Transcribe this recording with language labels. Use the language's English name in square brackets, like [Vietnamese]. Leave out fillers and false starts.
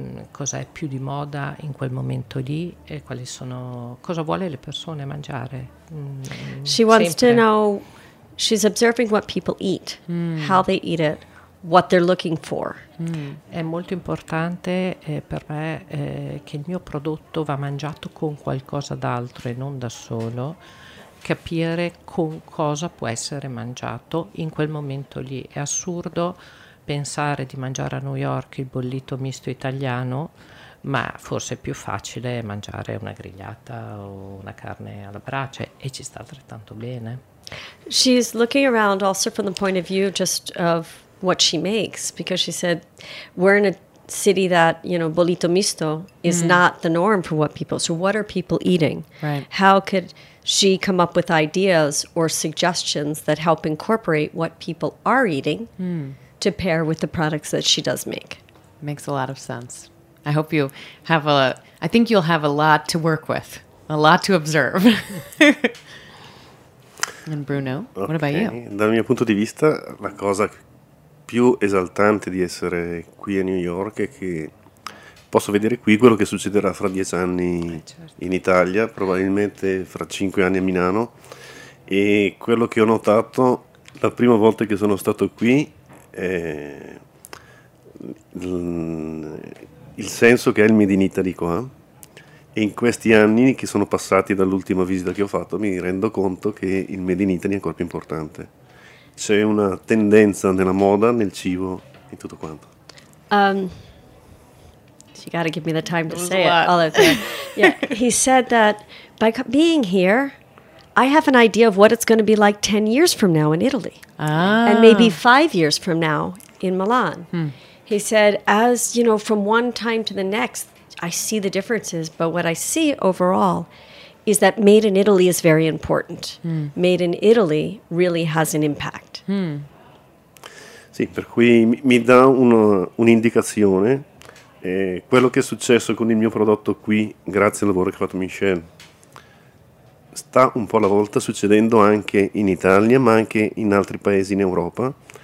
[Italian] Cosa è più di moda in quel momento lì e quali sono, cosa vuole le persone mangiare. [English] She wants to know, she's observing what people eat, how they eat it, what they're looking for. [Italian] È molto importante per me che il mio prodotto va mangiato con qualcosa d'altro e non da solo, capire con cosa può essere mangiato in quel momento lì. È assurdo pensare di mangiare a New York il bollito misto italiano, ma forse è più facile mangiare una grigliata o una carne alla brace e ci sta altrettanto bene. [English] She's looking around also from the point of view just of what she makes, because she said we're in a city that, you know, bolito misto is not the norm for what people, so what are people eating? Right. How could she come up with ideas or suggestions that help incorporate what people are eating to pair with the products that she does make? Makes a lot of sense. I hope you have I think you'll have a lot to work with, a lot to observe. And Bruno, what about you? [Italian] Dal mio punto di vista, la cosa più esaltante di essere qui a New York è che posso vedere qui quello che succederà fra 10 anni in Italia, probabilmente fra 5 anni a Milano. E quello che ho notato la prima volta che sono stato qui è il senso che è il Made in Italy qua, e in questi anni che sono passati dall'ultima visita che ho fatto mi rendo conto che il Made in Italy è ancora più importante. C'è una tendenza nella moda, nel cibo, in tutto quanto. [English] You gotta give me the time to say it, all of it. Yeah, he said that by being here, I have an idea of what it's going to be like 10 years from now in Italy. Ah. And maybe 5 years from now in Milan. He said, as, you know, from one time to the next, I see the differences. But what I see overall is that Made in Italy is very important. Made in Italy really has an impact. [Italian] Sì, per cui mi dà un'indicazione. Quello che è successo con il mio prodotto qui, grazie al lavoro che ha fatto Michel, sta un po' alla volta succedendo anche in Italia, ma anche in altri paesi in Europa.